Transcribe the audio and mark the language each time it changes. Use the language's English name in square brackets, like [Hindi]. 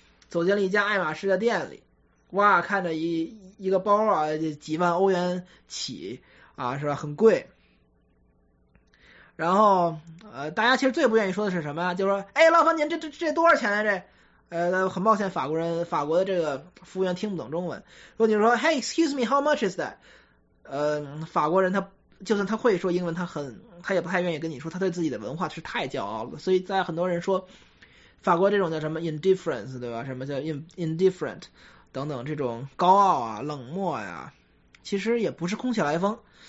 [Chinese] 走进了一家爱马仕的店里，哇，看着一个包啊，几万欧元起啊，是吧？很贵。然后，大家其实最不愿意说的是什么呀？就说，哎，老板，您这多少钱啊？很抱歉，法国的这个服务员听不懂中文。 [English] 如果你说，Hey, excuse me, how much is that？ [Chinese] 法国人他就算他会说英文，他也不太愿意跟你说，他对自己的文化是太骄傲了。所以在很多人说，法国这种叫什么 indifference，对吧？什么叫 indifferent 等等这种高傲啊、冷漠呀、啊，其实也不是空穴来风。